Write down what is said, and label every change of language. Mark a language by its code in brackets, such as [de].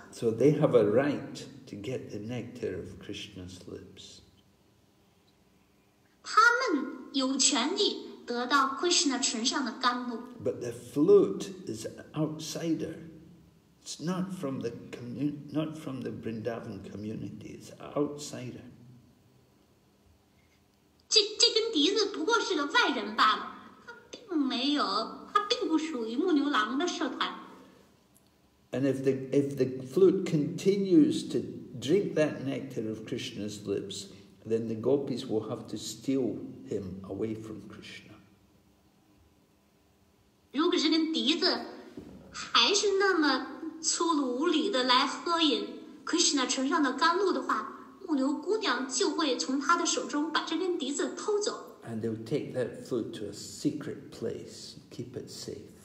[en] So they have a right to get the nectar of Krishna's lips. [zh] 他们有权利得到 Krishna 唇上的甘露。 [en] But the flute is an outsider. It's not from the not from the Vrindavan community. It's an outsider. [zh] 这根笛子不过是个外人罢了，它并不属于牧牛郎的社团。 [en] And if the flute continues to drink that nectar of Krishna's lips. Then the gopis will have to steal him away from Krishna. And they'll take that flute to a secret place, keep it safe.